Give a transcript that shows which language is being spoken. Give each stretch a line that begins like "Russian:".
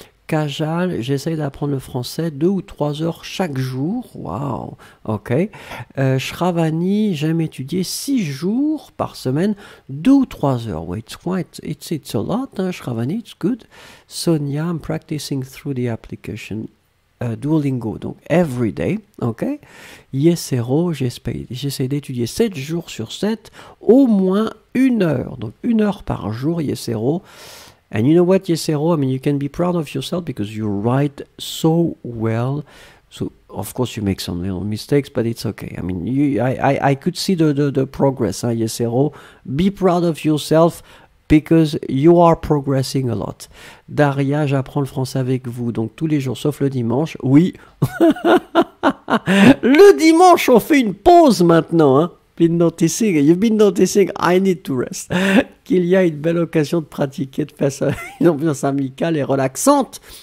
French: Cajal, j'essaie d'apprendre le français 2 ou 3 heures chaque jour. Wow, ok. Shravani, j'aime étudier 6 jours par semaine, 2 ou 3 heures.
English: Well, it's a lot, hein, Shravani, it's good. Sonia, I'm practicing through the application. Duolingo, donc every day, ok.
French: Yesero, j'essaie d'étudier 7 jours sur 7, au moins 1 heure. Donc 1 heure par jour, Yesero.
English: And you know what, Yesero, I mean, you can be proud of yourself because you write so well. So, of course, you make some little mistakes, but it's okay. I mean, I could see the progress, hein, Yesero. Be proud of yourself because you are progressing a lot.
French: Daria, j'apprends le français avec vous, donc tous les jours, sauf le dimanche. Oui. Le dimanche, on fait une pause maintenant, hein.
English: You've been noticing, I need to rest.
French: Qu'il y a une belle occasion de pratiquer, de faire une ambiance amicale et relaxante.